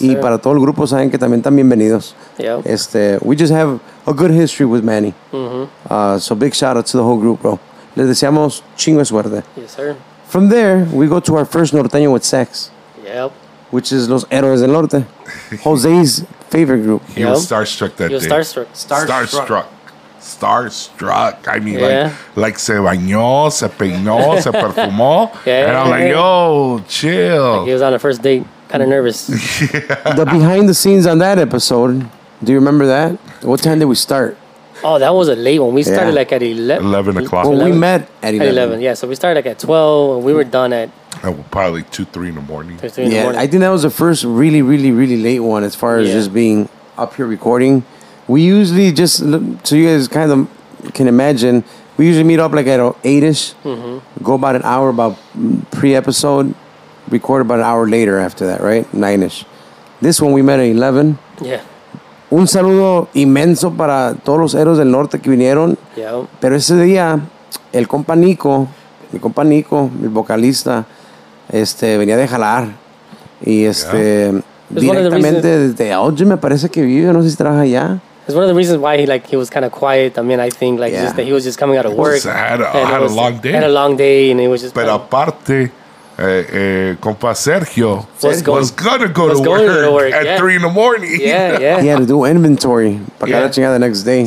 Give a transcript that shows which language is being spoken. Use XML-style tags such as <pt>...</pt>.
<es>y para todo el grupo, saben que también están bienvenidos.</es> <en>Yep. We just have a good history with Manny. Mm-hmm. So big shout out to the whole group, bro.</en> <es>Les deseamos chingo de suerte.</es> <en>Yes, sir. From there, we go to our first norteño with sex. Yep. Which is Los Héroes del Norte, Jose's favorite group. He was starstruck that day. He was starstruck. Starstruck. I mean, like</en> <es>se bañó, se peinó, se perfumó.</es> <en>Yeah. And I'm like, yo, chill. Like he was on a first date, kind of nervous. The behind the scenes on that episode, do you remember that? What time did we start? Oh, that was a late one. We started like at 11 o'clock. Well, we met at 11. Yeah, so we started like at 12, and we were done at Probably 2, 3 in the morning. I think that was the first really, really, really late one as far as just being up here recording. We usually just, so you guys kind of can imagine, we usually meet up like at 8-ish, go about an hour about pre-episode, record about an hour later after that, right? 9-ish. This one we met at 11. Yeah.</en> <es>Un saludo inmenso para todos los héroes del norte que vinieron. Pero ese día, el compa Nico, el vocalista, venía de jalar. Y directamente desde Audrey, me parece que vive, no sé si trabaja allá.</es> <en>It's one of the reasons why he was kind of quiet. I mean, I think just that he was just coming out of work. I had a long day. And he was just</en> <es>pero aparte. Compa Sergio</es> <en>was going to go to work at 3 in the morning. Yeah. He had to do inventory</en> <es>para cada chingada</es> <en>the next day.</en>